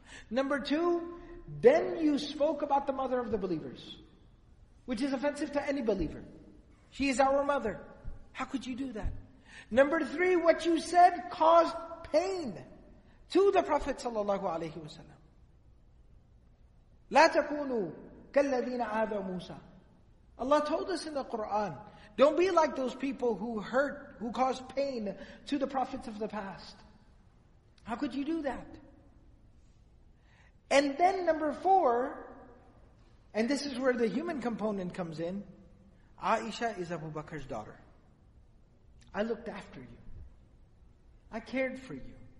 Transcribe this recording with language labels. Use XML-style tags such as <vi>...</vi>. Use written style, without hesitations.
<en>Number two, then you spoke about the mother of the believers, which is offensive to any believer. She is our mother. How could you do that? Number three, what you said caused pain to the Prophet sallallahu alaihi wasallam.</en> <ar>لا تكونوا كالذين آذوا موسى.</ar> <en>Allah told us in the Quran, don't be like those people who hurt, who caused pain to the prophets of the past. How could you do that? And then number four, and this is where the human component comes in, Aisha is Abu Bakr's daughter. I looked after you. I cared for you.</en>